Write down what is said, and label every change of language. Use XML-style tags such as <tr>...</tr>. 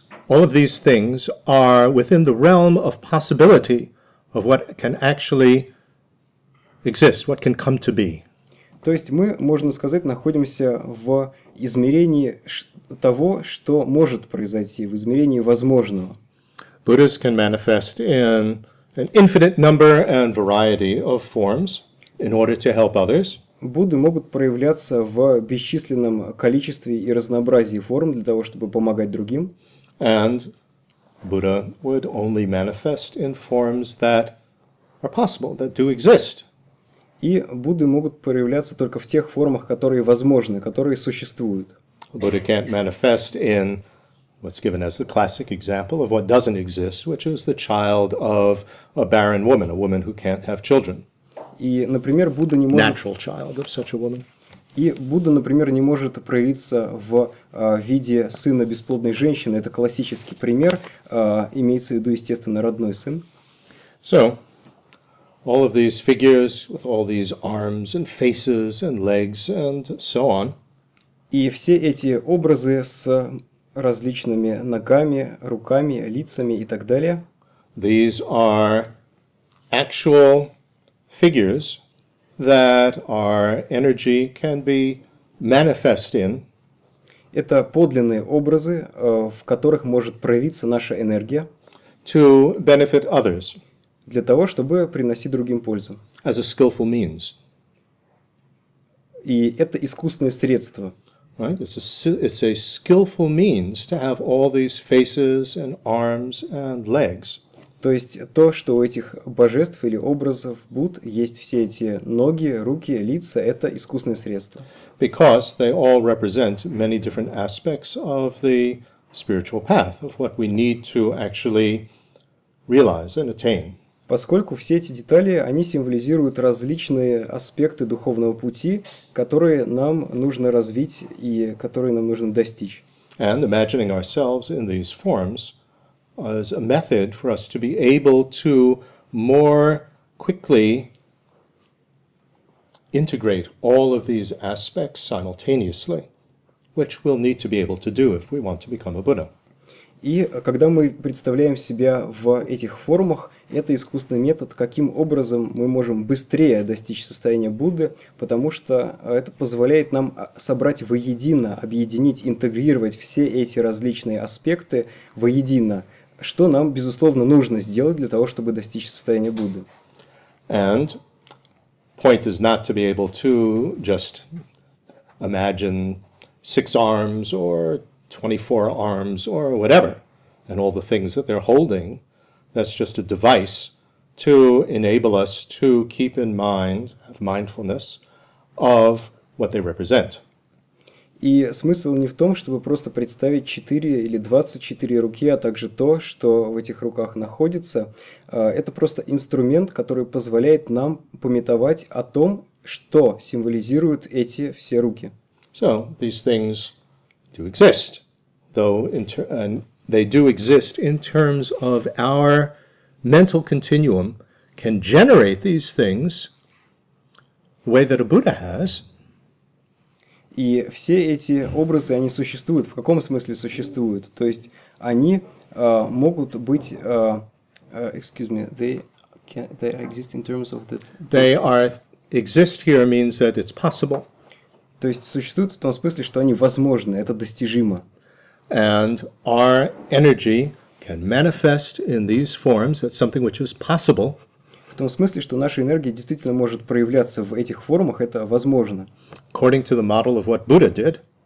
<en>All of these things are within the realm of possibility of what can actually exist, what can come to be.</en> <ru>То есть мы, можно сказать, находимся в измерении того, что может произойти, в измерении возможного.</ru> <en>Buddhas can manifest in an infinite number and variety of forms in order to help others.</en> <ru>Будды могут проявляться в бесчисленном количестве и разнообразии форм для того, чтобы помогать другим.</ru> <en>And Buddha would only manifest in forms that are possible, that do exist.</en> <ru>И Будды могут проявляться только в тех формах, которые возможны, которые существуют.</ru> <en>Buddha can't manifest in what's given as the classic example of what doesn't exist, which is the child of a barren woman, a woman who can't have children.</en> <ru>И, например, Будда не может...</ru> <en>Natural child of such a woman.</en> <ru>И Будда, например, не может проявиться в виде сына бесплодной женщины. Это классический пример. Имеется в виду, естественно, родной сын.</ru> <en>So, all of these figures with all these arms and faces and legs and so on.</en> <ru>И все эти образы с различными ногами, руками, лицами и так далее.</ru> <en>These are actual figures that our energy can be manifest in.</en> <ru>Это подлинные образы, в которых может проявиться наша энергия.</ru> <en>To benefit others.</en> <ru>Для того, чтобы приносить другим пользу.</ru> <en>As a skillful means.</en> <ru>И это искусственное средство.</ru> <en>Right? It's a skillful means to have all these faces and arms and legs.</en> <ru>То есть то, что у этих божеств или образов Будд есть все эти ноги, руки, лица, это искусственное средство.</ru> <en>Because they all represent many different aspects of the spiritual path, of what we need to actually realize and attain.</en> <ru>Поскольку все эти детали, они символизируют различные аспекты духовного пути, которые нам нужно развить и которые нам нужно достичь.</ru> <en>And imagining ourselves in these forms as a method for us to be able to more quickly integrate all of these aspects simultaneously, which we'll need to be able to do if we want to become a Buddha.</en> <ru>И когда мы представляем себя в этих формах, это искусственный метод, каким образом мы можем быстрее достичь состояния Будды, потому что это позволяет нам собрать воедино, объединить, интегрировать все эти различные аспекты воедино, что нам, безусловно, нужно сделать для того, чтобы достичь состояния Будды.</ru> <en>And point is not to be able to just imagine six arms or 24 arms or whatever, and all the things that they're holding, that's just a device to enable us to keep in mind, have mindfulness of what they represent.</en> <ru>И смысл не в том, чтобы просто представить 4 или 24 руки, а также то, что в этих руках находится. Это просто инструмент, который позволяет нам памятовать о том, что символизируют эти все руки.</ru> <en>So, these things do exist, though and they do exist in terms of our mental continuum can generate these things the way that a Buddha has.</en> <ru>И все эти образы, они существуют. В каком смысле существуют? То есть они могут быть...</ru> <en>excuse me, they exist in terms of that... They are... Exist here means that it's possible.</en> <ru>То есть существуют в том смысле, что они возможны, это достижимо.</ru> <en>And our energy can manifest in these forms, that's something which is possible.</en> <ru>В том смысле, что наша энергия действительно может проявляться в этих формах, это возможно.</ru> <en>According to the model of what Buddha did.</en>